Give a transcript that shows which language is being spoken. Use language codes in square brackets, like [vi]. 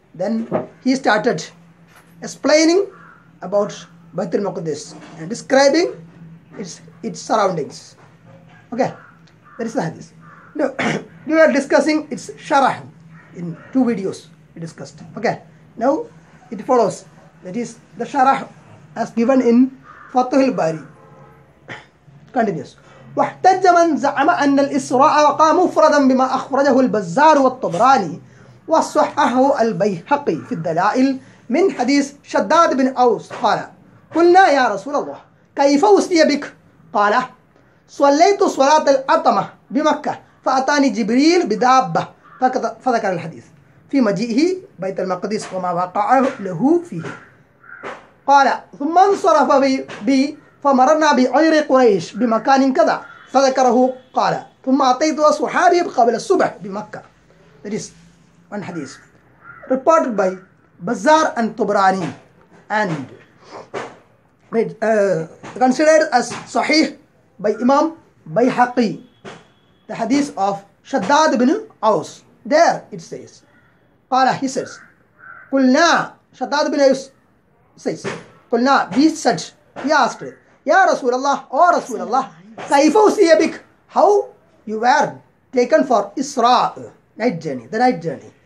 [en] Then he started explaining about Baitul Maqdis and describing its surroundings. Okay. That is the hadith. Now, we were discussing its sharah in two videos we discussed. Okay. Now, it follows. That is the sharah as given in Fathul Bari. Continues. [ar] واحتج من زعم أن الإسراء وقع مفردا بما أخرجه البزار والطبراني وصححه البيهقي في الدلائل من حديث شداد بن أوس قال قلنا يا رسول الله كيف أصلي بك؟ قال صليت صلاة الأطمة بمكة فأتاني جبريل بدابة فذكر الحديث في مجيئه بيت المقدس وما وقع له فيه. قال ثم انصرف بي فمرنا بعير قريش بمكان كذا فذكره قال ثم أتيت أصحابي قبل الصبح بمكة. [en] That is one hadith reported by Bazar and Tabrani and considered as sahih by Imam Bayhaqi. The hadith of Shaddad bin Aus. There it says, قال, he says, قلنا, Shaddad bin Aus says, قلنا, we said, he asked it, Ya Rasulallah, O Rasulallah, [ar] Kaifa Usiyabik, [en] how you were taken for Isra, night journey, the night journey.